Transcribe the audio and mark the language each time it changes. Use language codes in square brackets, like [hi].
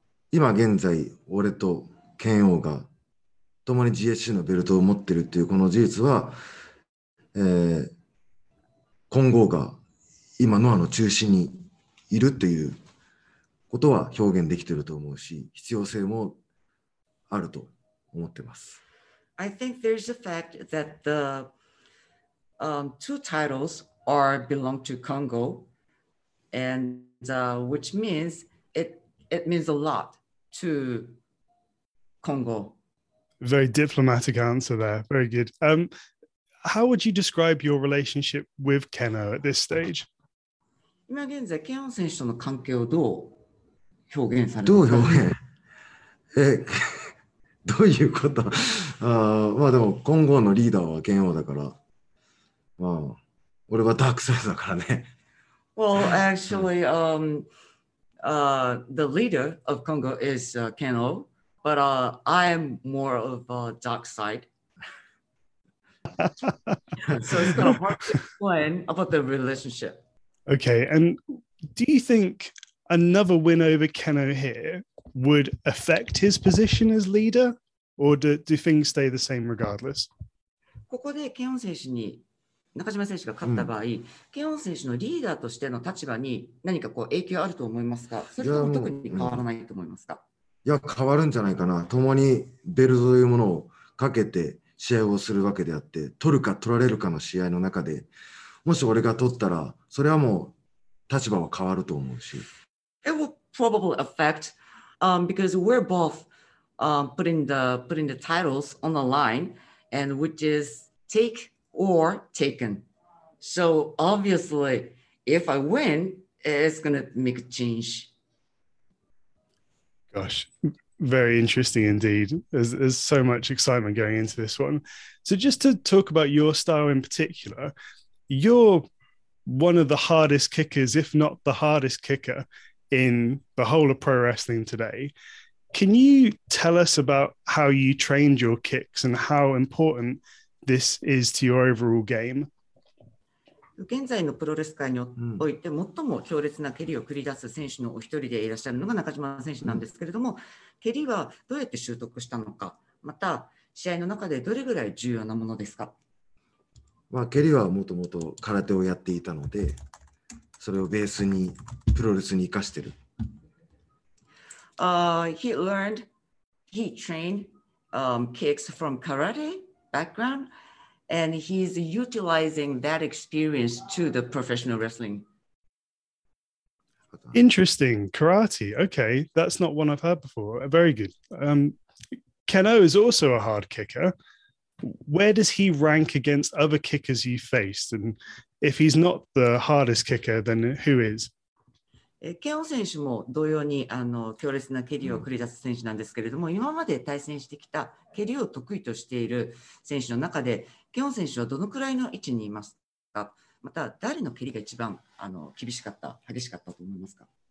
[ja] 今現在俺とケンオンが共に GHC のベルトを持っているというこの事実は、今後が今ノアの中心にいるという表現できていると思うし、必要性もあると思ってます。 [en] I think there's a fact that the two titles are belong to Kongo, and which means it means a lot to Kongo. Very diplomatic answer there. Very good. How would you describe your relationship with Kenoh at this stage? [ja] 今現在、ケノー選手との関係をどう表現されどう表現どういうことまあでも今後のリーダーは剣王だから、まあ、俺はダークサイズだからね。 [en] Well, actually, the leader of Kongo is Kenoh, but I am more of a dark side. So it's kind of hard to explain about the relationship. Okay, and do you think... Another win over Kenoh here would affect his position as leader, or do things stay the same regardless? [ja] ここでケンオン選手に中島選手が勝った場合、ケンオン選手のリーダーとしての立場に何かこう影響あると思いますか？それとも特に変わらないと思いますか？いや、変わるんじゃないかな。共にベルトというものをかけて試合をするわけであって、取るか取られるかの試合の中で、もし俺が取ったら、それはもう立場は変わると思うし。 [en] It will probably affect, because we're both, putting the titles on the line, and which is take or taken. So obviously, if I win, it's gonna make a change. Gosh, very interesting indeed. There's so much excitement going into this one. So just to talk about your style in particular, you're one of the hardest kickers, if not the hardest kicker. in the whole of pro wrestling today. Can you tell us about how you trained your kicks and how important this is to your overall game? [ja] 現在のプロレス界において最も強烈な蹴りを繰り出す選手のお一人でいらっしゃるのが中島選手なんですけれども、蹴りはどうやって習得したのか、また試合の中でどれぐらい重要なものですか？まあ、蹴りはもともと空手をやっていたので、それをベースにプロレスに生かしている。 [en] He learned, he trained, kicks from karate background, and he's utilizing that experience to the professional wrestling. Interesting. Karate. Okay. That's not one I've heard before. Very good. Kenoh is also a hard kicker. Where does he rank against other kickers you faced? And if he's not the hardest kicker, then who is? [ja] ケオ選手も同様にあの強烈な蹴りを繰り出す選手なんですけれども、今まで対戦してきた蹴りを得意としている選手の中で、ケオ選手はどのくらいの位置にいますか？また誰の蹴りが一番あの厳しかった、激しかったと思いますか？